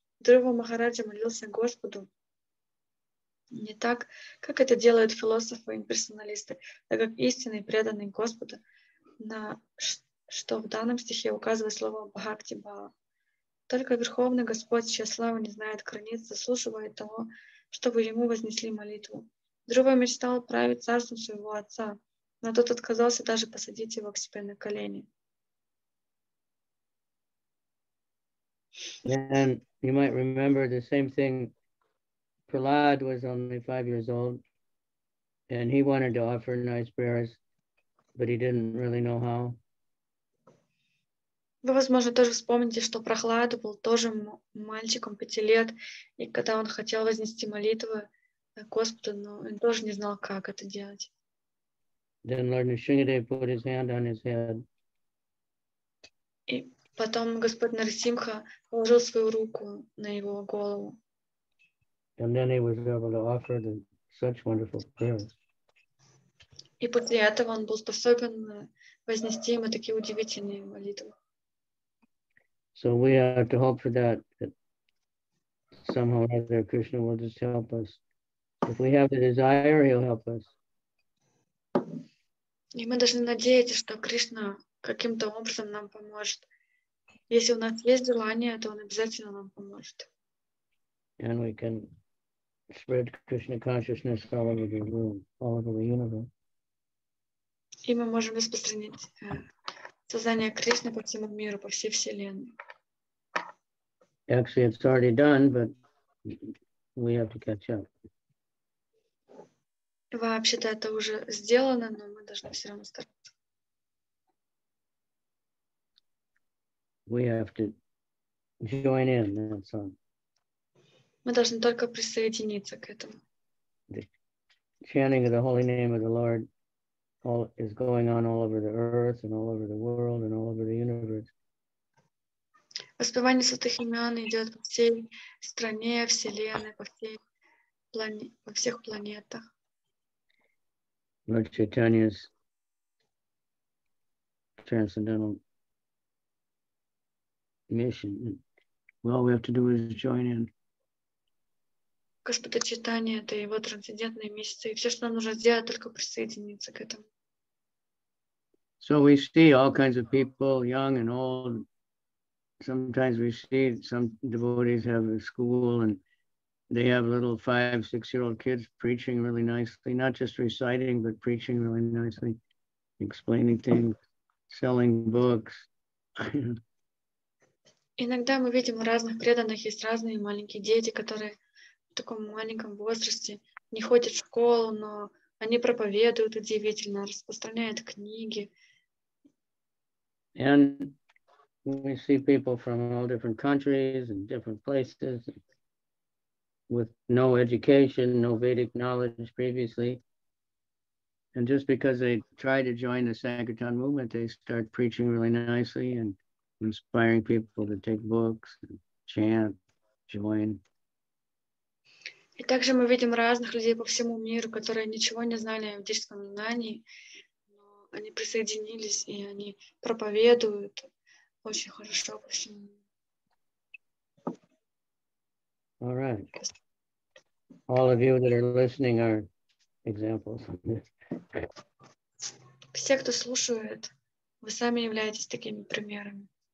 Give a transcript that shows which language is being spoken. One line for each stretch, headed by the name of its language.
Russian: Дхрува Махараджа молился Господу не так, как это делают философы и имперсоналисты, а как истинный преданный Господу, на что в данном стихе указывает слово бхакти-бава. Только Верховный Господь, чья слава не знает границ, заслуживает того, чтобы ему вознесли молитву. Дхрува мечтал править царством своего отца, но тот отказался даже посадить его к себе на колени.
English: And you might remember the same thing. Prahlad was only 5 years old, and he wanted to offer nice prayers, but he didn't really know how.
Russian: Вы, возможно, тоже вспомните, что Прохлад был тоже мальчиком 5 лет, и когда он хотел вознести молитвы Господу, но он тоже не знал, как это делать.
English: Then Lord Nrsimhadev put his hand on his head.
Russian: Потом Господь Нарсимха положил свою руку на его голову.
English: And then he was able to offer them such wonderful prayers.
Russian: И после этого он был способен вознести ему такие удивительные молитвы.
English: So we have to hope for that, that somehow or other Krishna will just help us. If we have the desire, he'll help us.
Russian: И мы должны надеяться, что Кришна каким-то образом нам поможет. Если у нас есть желание, то он обязательно нам поможет.
English: and we can spread Krishna consciousness all over the room, all over the universe.
Russian: И мы можем распространить сознание Кришны по всему миру, по всей вселенной.
English: Actually, it's already done, but we have to catch up.
Russian: Вообще-то это уже сделано, но мы должны все равно стараться.
English: We have to join in, that's all.
Russian: Мы должны только присоединиться к этому.
English: The chanting of the holy name of the Lord all is going on all over the earth and all over the world and all over the universe.
Russian: Воспевание святых имен идет по всей стране, вселенной, по всех планетах.
English: Lord Chaitanya's transcendental mission. All we have to do is join in.
Russian: Господа Чайтанья, это его трансцендентная миссия, и все, что нам нужно сделать, только присоединиться к этому.
English: So we see all kinds of people, young and old. Sometimes we see some devotees have a school and they have little 5-6-year-old kids preaching really nicely, not just reciting, but preaching really nicely, explaining things, selling books.
Russian: Иногда мы видим у разных преданных есть разные маленькие дети, которые в таком маленьком возрасте не ходят в школу, но они проповедуют удивительно, распространяют книги.
English: And we see people from all different countries and different places with no education, no Vedic knowledge previously. And just because they try to join the Sankirtan movement, they start preaching really nicely and inspiring people to take books, chant, join.
Russian: И также мы видим разных людей по всему миру, которые ничего не знали о ведическом знании. Они присоединились, и они проповедуют очень хорошо.
English: All right. All of you that are listening are examples.
Russian: Все, кто слушает, вы сами являетесь такими примерами.